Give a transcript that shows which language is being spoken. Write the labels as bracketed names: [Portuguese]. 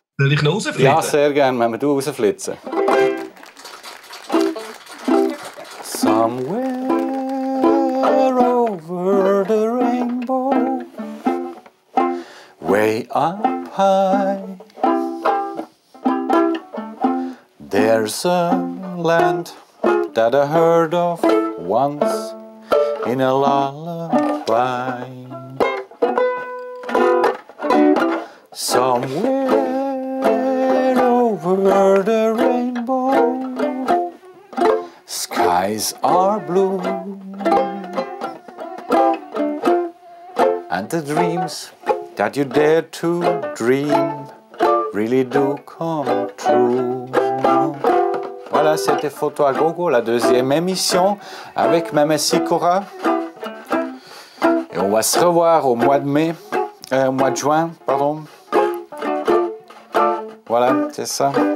[German] Soll ich noch rausflitzen? Ja, sehr gerne. Wenn wir du rausflitzen. [English] Somewhere over the rainbow, way up high, there's a land that I heard of once in a lullaby. Somewhere over the rainbow, skies are blue, and the dreams that you dare to dream really do come true. [French] Voilà, c'était Photo à Gogo, la deuxième émission avec Mme Sikora. Et on va se revoir au mois de mai, au mois de juin, pardon. Voilà, c'est ça.